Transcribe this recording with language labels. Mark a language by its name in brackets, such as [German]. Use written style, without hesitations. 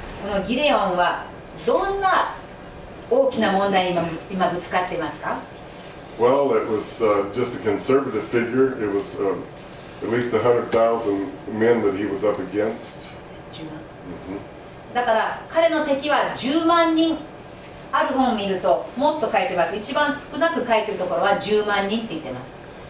[Japanese] このギデオンはどんな大きな問題に今ぶつかっていますか? [English] Well, it was just a conservative figure. It was at least 100,000 men that he was up against. [Japanese] 10万。Mm-hmm. だから彼の敵は10万人。ある本を見るともっと書いてます。一番少なく書いてるところは10万人って言ってます。